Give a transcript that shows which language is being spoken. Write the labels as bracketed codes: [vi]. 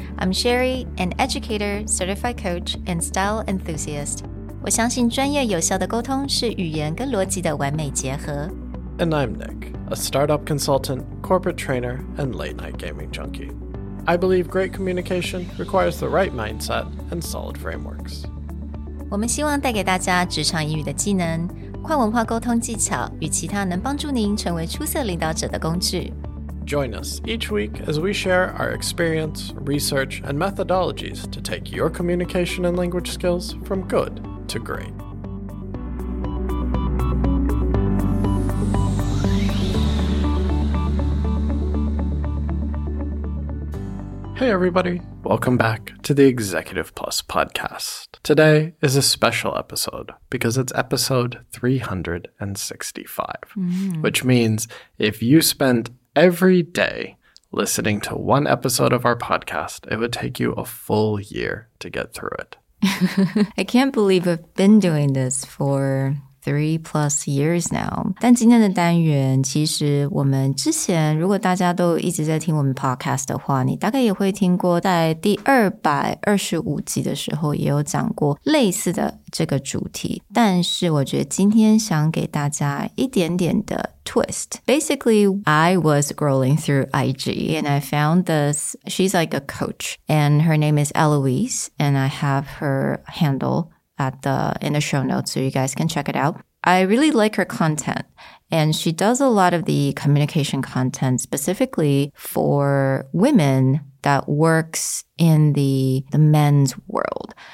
[en] I'm Sherry, an educator, certified coach, and style enthusiast. [zh] 我相信专业有效的沟通是语言跟逻辑的完美结合。 [en] And I'm Nick, a startup consultant, corporate trainer, and late night gaming junkie. I believe great communication requires the right mindset and solid frameworks. [zh] 我们希望带给大家职场英语的技能，跨文化沟通技巧与其他能帮助您成为出色领导者的工具。 [en] Join us each week as we share our experience, research, and methodologies to take your communication and language skills from good to great. Hey everybody, welcome back to the Executive Plus podcast. Today is a special episode because it's episode 365, which means if you spent every day listening to one episode of our podcast, it would take you a full year to get through it. I can't believe I've been doing this for 3+ years now. [zh] 但今天的单元其实我们之前如果大家都一直在听我们 podcast 的话，你大概也会听过在第225集的时候也有讲过类似的这个主题。但是我觉得今天想给大家一点点的twist. [en] Basically, I was scrolling through IG and I found this, she's like a coach and her name is Eloise and I have her handle in the show notes so you guys can check it out. I really like her content and she does a lot of the communication content specifically for women that works in the men's world.